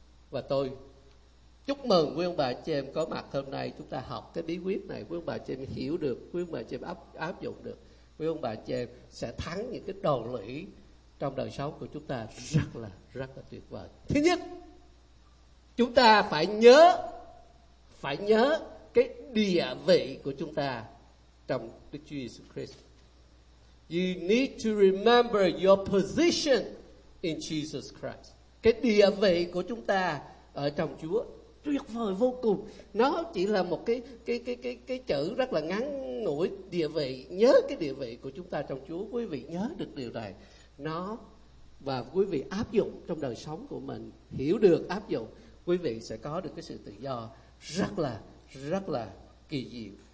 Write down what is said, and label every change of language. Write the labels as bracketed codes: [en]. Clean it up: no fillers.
[vi] Và tôi chúc mừng quý ông bà anh chị em có mặt hôm nay, chúng ta học cái bí quyết này, quý ông bà anh chị em hiểu được, quý ông bà anh chị em áp dụng được, quý ông bà anh chị em sẽ thắng những cái đồn lũy trong đời sống của chúng ta rất là tuyệt vời. Thứ nhất, chúng ta phải nhớ cái địa vị của chúng ta trong Đức Chúa Jesus Christ. [en] You need to remember your position in Jesus Christ. [vi] Cái địa vị của chúng ta ở trong Chúa tuyệt vời vô cùng. Nó chỉ là một cái chữ rất là ngắn ngủi, địa vị. Nhớ cái địa vị của chúng ta trong Chúa. Quý vị nhớ được điều này, nó và quý vị áp dụng trong đời sống của mình, hiểu được áp dụng, quý vị sẽ có được cái sự tự do rất là kỳ diệu.